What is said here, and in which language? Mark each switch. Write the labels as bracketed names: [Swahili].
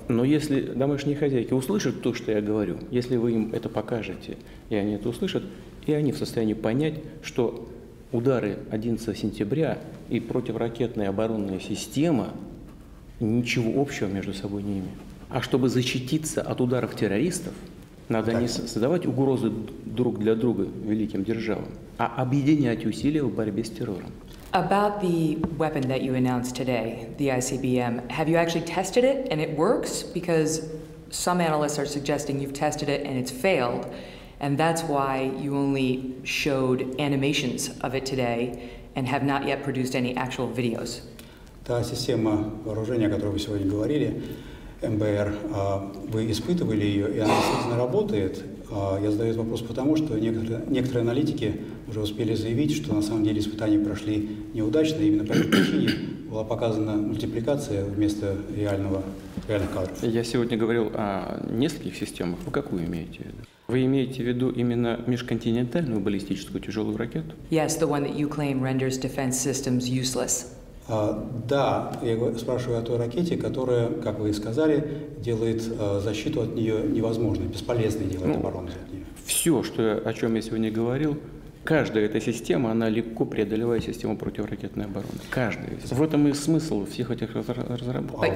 [Russian] Но если домашние хозяйки услышат то, что я говорю, если вы им это покажете, и они это услышат, и они в состоянии понять, что удары 11 сентября и противоракетная оборонная система ничего общего между собой не имеют. А чтобы защититься от ударов террористов, надо не создавать угрозы друг для друга великим державам, а объединять усилия в борьбе с террором. [English] About the weapon that you announced today, the ICBM, have you actually tested it and it works? Because some analysts are suggesting you've tested it and it's failed, and that's why you only showed animations of it today and have not yet produced any actual videos. [Russian] Та система вооружения, о которой вы сегодня говорили, МБР, вы испытывали ее, и она действительно работает. Я задаю этот вопрос потому, что некоторые аналитики уже успели заявить, что на самом деле испытания прошли неудачно, и именно по этой причине была показана мультипликация вместо реальных кадров. Я сегодня говорил о нескольких системах. Вы какую имеете в виду? Вы имеете в виду именно межконтинентальную баллистическую тяжелую ракету? [English] Yes, the one that you claim renders defense systems useless. [Russian] Да, я спрашиваю о той ракете, которая, как вы и сказали, делает защиту от нее невозможной, бесполезной делает оборону от нее. Все, что, о чем я сегодня говорил, каждая эта система, она легко преодолевает систему противоракетной обороны. Каждая. В этом и смысл всех этих разработок.